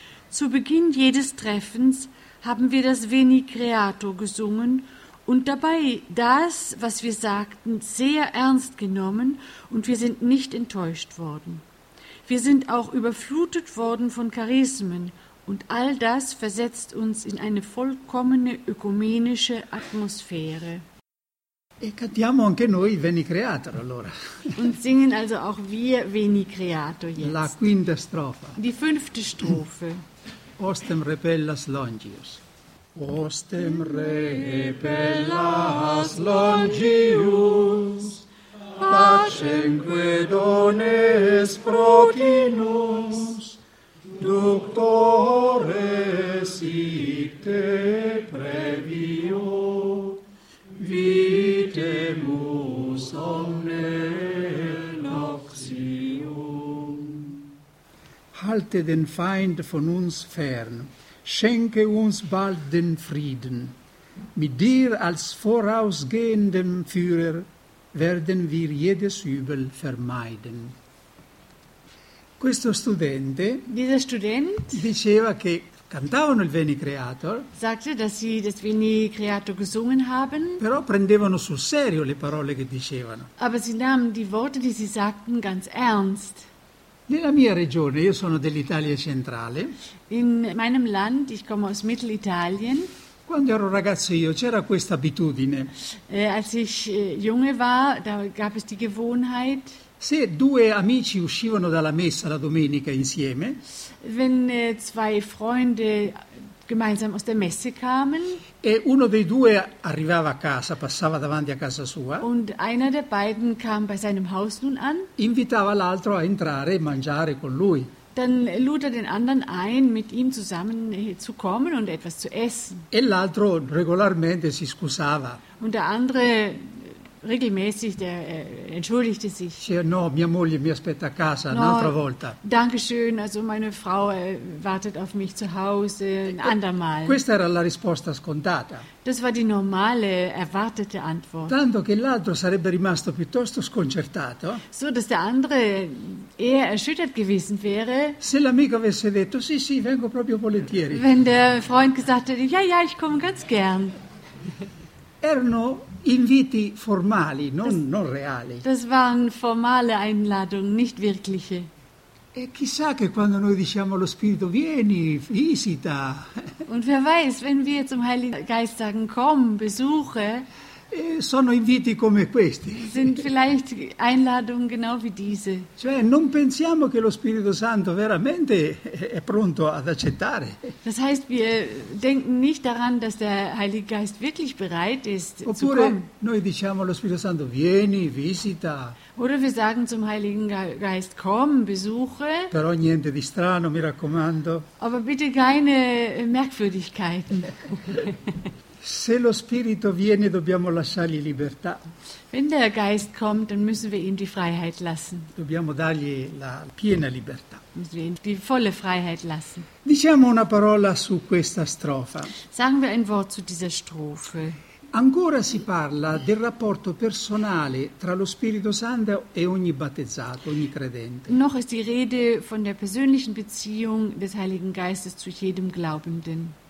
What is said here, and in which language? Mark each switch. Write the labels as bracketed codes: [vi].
[de] Zu Beginn jedes Treffens haben wir das Veni Creator gesungen und dabei das, was wir sagten, sehr ernst genommen und wir sind nicht enttäuscht worden. Wir sind auch überflutet worden von Charismen. Und all das versetzt uns in eine vollkommene ökumenische Atmosphäre. [it] E cantiamo anche noi Veni Creator allora. [de] Und singen also auch wir Veni Creator jetzt. [it] La quinta strofa. [de] Die fünfte Strophe. [la] Ostem repellas longius. Ostem repellas longius. Pacemque dones proquinus. Ductore sic te previo, vitemus omne noxium. [de] Halte den Feind von uns fern, schenke uns bald den Frieden. Mit dir als vorausgehendem Führer werden wir jedes Übel vermeiden. [it] Questo studente [de] dieser Student [it] diceva che cantavano il Veni Creator, [de] sagte, dass sie das Veni Creator gesungen haben, [it] però prendevano sul serio le parole che dicevano. [de] Aber sie nahmen die Worte, die sie sagten, ganz ernst. [it] Nella mia regione, io sono dell'Italia centrale. [de] In meinem Land, ich komme aus Mittelitalien. [it] Quando ero ragazzo io c'era questa abitudine. [de] Als ich junge war, da gab es die Gewohnheit. [it] Se due amici uscivano dalla messa la domenica insieme, [de] wenn zwei Freunde gemeinsam aus der Messe kamen, [it] e uno dei due arrivava a casa, passava davanti a casa sua, [de] und einer der beiden kam bei seinem Haus nun an, [it] invitava l'altro a entrare e mangiare con lui. [de] Dann lud den anderen ein, mit ihm zusammen zu kommen und etwas zu essen. [it] E l'altro regolarmente si scusava. [de] Und der andere regelmäßig, der entschuldigte sich. [it] Sì, no, mia moglie mi aspetta a casa, no, un'altra volta. [de] Danke schön, also meine Frau wartet auf mich zu Hause, ein andermal. [it] Questa era la risposta scontata. [de] Das war die normale, erwartete Antwort. [it] Tanto che l'altro sarebbe rimasto piuttosto sconcertato. [de] So, dass der andere eher erschüttert gewesen wäre. [it] Se l'amico avesse detto, sì, sì, vengo proprio volentieri. [de] Wenn der Freund gesagt hätte, ja, ja, ich komme ganz gern. [it] Erano inviti formali, non reali. [de] Das waren formale Einladungen, nicht wirkliche. [it] E chissà che quando noi diciamo allo Spirito, vieni, visita. [de] Und wer weiß, wenn wir zum Heiligen Geist sagen, komm, besuche. [it] Sono inviti come questi. [de] Sind vielleicht Einladungen genau wie diese. [it] Cioè, non pensiamo che lo Spirito Santo veramente è pronto ad accettare. [de] Das heißt, wir denken nicht daran, dass der Heilige Geist wirklich bereit ist zu kommen. [it] Oppure noi diciamo allo Spirito Santo, vieni, visita. [de] Oder wir sagen zum Heiligen Geist, komm, besuche. [it] Però niente di strano, mi raccomando. [de] Aber bitte keine Merkwürdigkeiten. [it] Se lo spirito viene, dobbiamo lasciargli libertà. [de] Wenn der Geist kommt, dann müssen wir ihm die Freiheit lassen. [it] Dobbiamo dargli la piena libertà. [de] Müssen wir ihm die volle Freiheit lassen. [it] Diciamo una parola su questa strofa. [de] Sagen wir ein Wort zu dieser Strophe. [it] Ancora si parla del rapporto personale tra lo Spirito Santo e ogni battezzato, ogni credente. [de] Noch ist die Rede von der persönlichen Beziehung des Heiligen Geistes zu jedem Glaubenden.